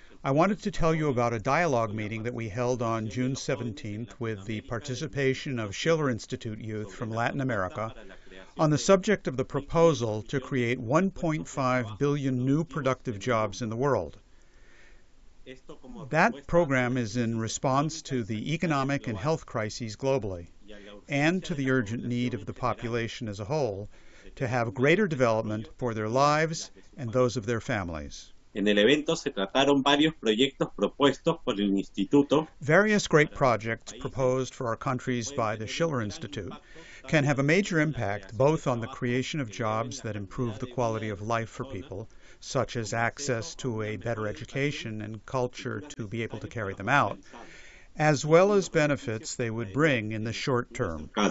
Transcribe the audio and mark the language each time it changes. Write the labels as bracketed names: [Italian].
[English] I wanted to tell you about a dialogue meeting that we held on June 17th with the participation of Schiller Institute youth from Latin America on the subject of the proposal to create 1.5 billion new productive jobs in the world. That program is in response to the economic and health crises globally, and to the urgent need of the population as a whole to have greater development for their lives and those of their families. [Spanish] En el evento se trataron varios proyectos propuestos por el instituto. [English] Various great projects proposed for our countries by the Schiller Institute can have a major impact both on the creation of jobs that improve the quality of life for people, such as access to a better education and culture to be able to carry them out, as well as benefits they would bring in the short term.